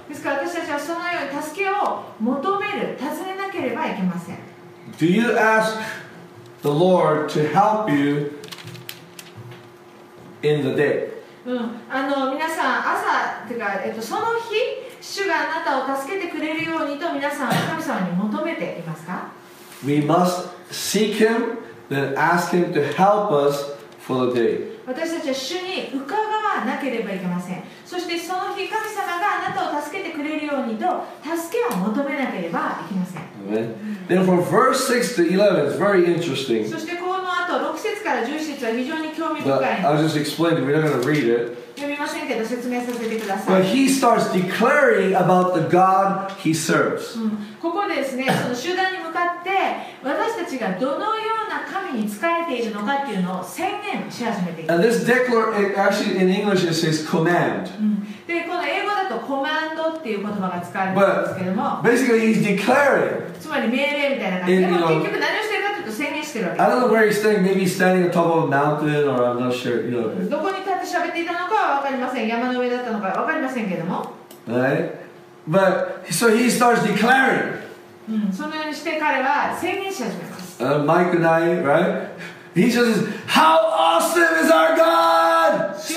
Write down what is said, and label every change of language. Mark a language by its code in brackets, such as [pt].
[ja] ですから私たちはそのように助けを求める、尋ねなければいけません。 [en] Do you ask the Lord to help you in the day? [ja] 皆さん朝てか、その日主があなたを助けてくれるようにと皆さん神様に求めていますか? [en] We must seek Him, then ask Him to help us. For the day. [ja] 私たちは主に伺わなければいけません。そしてその日神様があなたを助けてくれるようにと助けを求めなければいけません。 [en] Then from verse 6 to 11 it's very interesting. [ja] そしてこの後6節から11節は非常に興味深い。 [en] But I'll just explain it, we're not going to read it. [ja] 読みませんけど説明させてください。 [en] But he starts declaring about the God he serves. [ja] ここでですね、その集団に向かって私たちがどのような [en] And this declaration actually in English it says command. [ja] で、この英語だとコマンドっていう言葉が使われているんですけども。 [en] Basically he's declaring. [ja] つまり命令みたいな感じ。でも結局何をしているかというと宣言しているわけ。 [en] I don't know where he's standing. Maybe he's standing on top of a mountain, or I'm not sure. You know. [ja] どこに立って喋っていたのかはわかりません。山の上だったのかわかりませんけども。 [en] Right. But so he starts declaring. [ja] そのようにして彼は宣言し始めます。 [en] Mike and I, right? He just says, How awesome is our God!